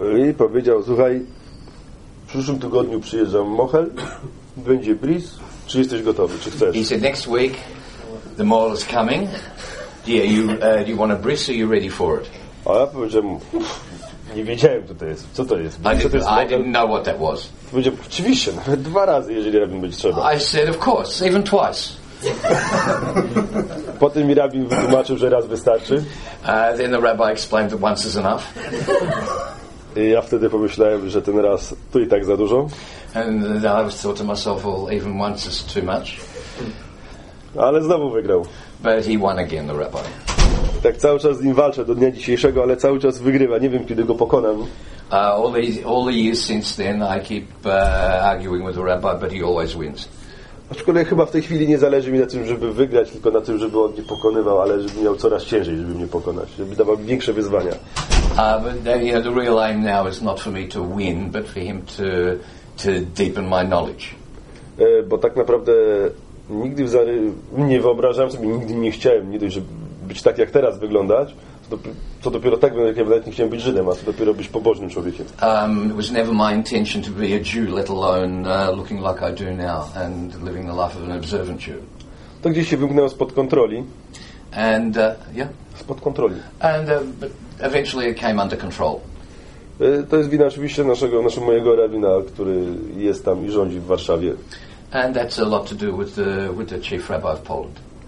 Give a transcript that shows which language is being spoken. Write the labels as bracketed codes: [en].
[pl] I powiedział, słuchaj, w przyszłym tygodniu przyjeżdża Mohel, będzie bris. Czy jesteś gotowy, czy chcesz? [en] He said, next week the mall is coming. Yeah, do you want a bris? Are you ready for it? [pl] A ja powiedziałem, nie wiedziałem, co to jest. Co to jest? [en] I didn't know what that was. [pl] Powiedziałem, oczywiście, nawet dwa razy, jeżeli rabin będzie trzeba. [en] I said, of course, even twice. [pl] Potem mi rabin wytłumaczył, że raz wystarczy. [en] Then the rabbi explained that once is enough. [pl] I ja wtedy pomyślałem, że ten raz to i tak za dużo. [en] And I thought to myself, well, even once is too much. [pl] Ale znowu wygrał. [en] But he won again, the rabbi. [pl] Tak cały czas z nim walczę do dnia dzisiejszego, ale cały czas wygrywa. Nie wiem, kiedy go pokonam. [en] All the years since then, I keep arguing with the rabbi, but he always wins. [pl] Aczkolwiek chyba w tej chwili nie zależy mi na tym, żeby wygrać, tylko na tym, żeby on mnie pokonywał, ale żeby miał coraz ciężej, żeby mnie pokonać, żeby dawał mi większe wyzwania. [en] The real aim now is not for me to win, but for him to deepen my knowledge. [pl] Bo tak naprawdę nigdy nie wyobrażam sobie, nigdy nie chciałem, nie dość, żeby być tak jak teraz wyglądać, co dopiero tak będę, jak ja nawet nie chciałem być Żydem, a co dopiero być pobożnym człowiekiem. [en] It was never my intention to be a Jew, let alone looking like I do now and living the life of an observant Jew. [pl] To gdzieś się wymknęło spod kontroli. [en] And yeah. [pl] Spod kontroli. [en] And but eventually it came under control. [pl] To jest wina oczywiście naszego mojego rabina, który jest tam i rządzi w Warszawie. [en] And that's a lot to do with the chief rabbi of Poland.